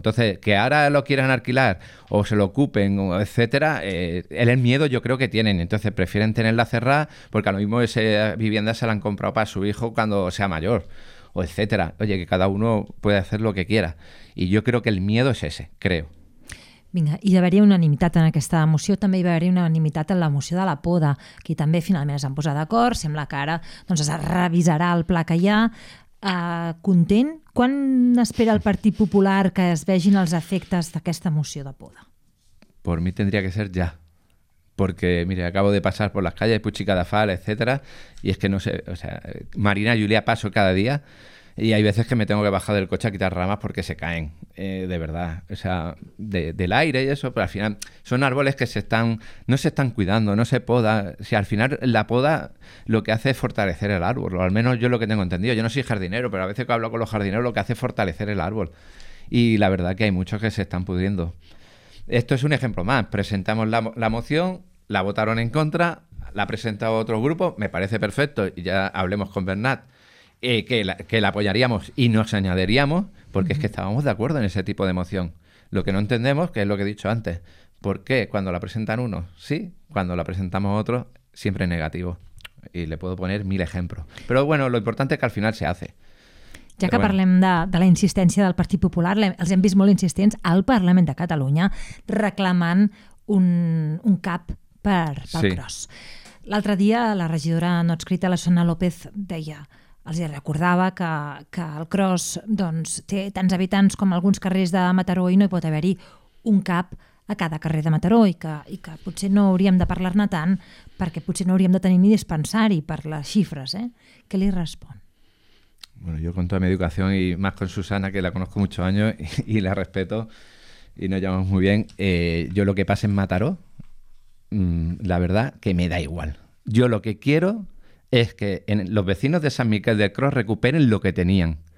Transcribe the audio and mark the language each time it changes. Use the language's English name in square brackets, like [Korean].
[Spanish] Entonces, que ahora lo quieran alquilar o se lo ocupen, etcétera, el miedo yo creo que tienen. Entonces, prefieren tenerla cerrada porque a lo mismo esa vivienda se la han comprado para su hijo cuando sea mayor, o etcétera. Oye, que cada uno puede hacer lo que quiera. Y yo creo que el miedo es ese, creo. [Catalan] Vinga, hi haveria unanimitat en aquesta moció, també hi haveria unanimitat en la moció de la poda, que també finalment es van posar d'acord, sembla que ara doncs, es revisarà el pla que hi ha. Content? Quan espera el Partit Popular que es vegin els efectes d'aquesta moció de poda? [Spanish] Per mi tendría que ser ya. Porque, mire, acabo de pasar por las calles Puig y Cadafal, etcétera, y es que no sé, o sea, Marina y Julia paso cada día y hay veces que me tengo que bajar del coche a quitar ramas porque se caen, de verdad, o sea, del aire y eso, pero al final son árboles que no se están cuidando, no se poda. Si al final la poda lo que hace es fortalecer el árbol, o al menos yo lo que tengo entendido, yo no soy jardinero, pero a veces que hablo con los jardineros lo que hace es fortalecer el árbol y la verdad que hay muchos que se están pudriendo. Esto es un ejemplo más. Presentamos la moción, la votaron en contra, la ha presentado otro grupo, me parece perfecto, y ya hablemos con Bernat, que la apoyaríamos y nos añadiríamos, porque es que estábamos de acuerdo en ese tipo de moción. Lo que no entendemos, que es lo que he dicho antes, ¿por qué cuando la presentan unos sí, cuando la presentamos otros siempre es negativo? Y le puedo poner mil ejemplos. Pero bueno, lo importante es que al final se hace. [Catalan] Ja que parlem de la insistència del Partit Popular, els hem vist molt insistents al Parlament de Catalunya reclamant un cap pel [Spanish] sí. [Catalan] Cros. L'altre dia la regidora no adscrita, la Sonia López, deia, els recordava que el Cros doncs, té tants habitants com alguns carrers de Mataró i no hi pot haver-hi un cap a cada carrer de Mataró i que potser no hauríem de parlar-ne tant perquè potser no hauríem de tenir ni dispensari per les xifres. Què li respon? [Spanish] Bueno, yo con toda mi educación y más con Susana, que la conozco muchos años y la respeto y nos llevamos muy bien, yo lo que pase en Mataró, la verdad que me da igual. Yo lo que quiero es que los vecinos de San Miguel del Cros recuperen lo que tenían.